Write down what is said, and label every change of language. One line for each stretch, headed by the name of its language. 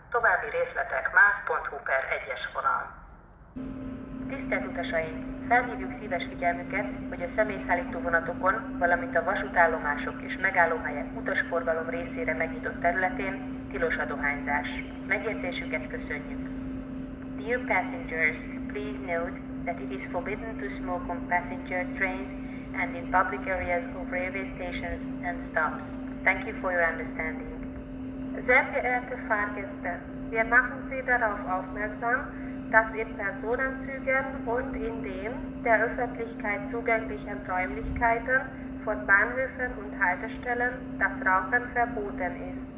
Hungarian: További részletek mav.hu/1-es vonal. Tisztelt utasaink! Felhívjuk szíves figyelmüket, hogy a személyszállító vonatokon, valamint a vasútállomások és megállóhelyek utasforgalom részére megnyitott területén tilos a dohányzás. Megértésüket köszönjük!
English: Dear passengers, please note that it is forbidden to smoke on passenger trains and in public areas of railway stations and stops. Thank you for your understanding.
German: Sehr geehrte Fahrgäste, wir machen Sie darauf aufmerksam, dass in Personenzügen und in den der Öffentlichkeit zugänglichen Räumlichkeiten von Bahnhöfen und Haltestellen das Rauchen verboten ist.